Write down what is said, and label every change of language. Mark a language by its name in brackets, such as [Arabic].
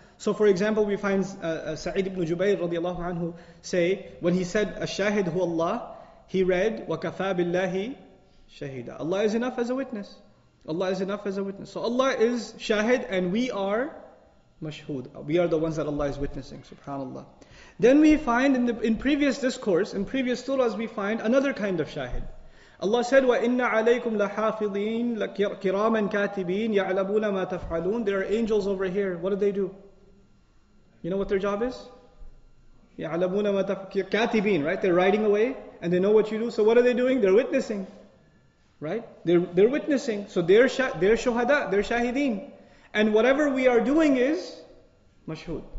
[English] So for example, we find Sa'id ibn Jubayr radiallahu anhu say, when he said, Ash-shahid hu Allah, he read, [Arabic] وَكَفَى بِاللَّهِ شَهِدًا [English] Allah is enough as a witness. Allah is enough as a witness. So Allah is shahid, and we are Mashhud. We are the ones that Allah is witnessing, subhanAllah. Then we find in previous discourse, in previous surahs, we find another kind of shahid. Allah said, [Arabic] وَإِنَّ عَلَيْكُمْ لَحَافِظِينَ كِرَامًا كَاتِبِينَ يَعْلَمُونَ مَا تَفْعَلُونَ [English] There are angels over here. What do? You know what their job is? [Arabic] يَعْلَمُونَ مَا تَفْعَلُونَ كَاتِبِينَ, [English] right? They're writing away. and they know what you do. So what are they doing? They're witnessing. Right? They're witnessing. So they're shuhada, they're shahideen. And whatever we are doing is mashhud.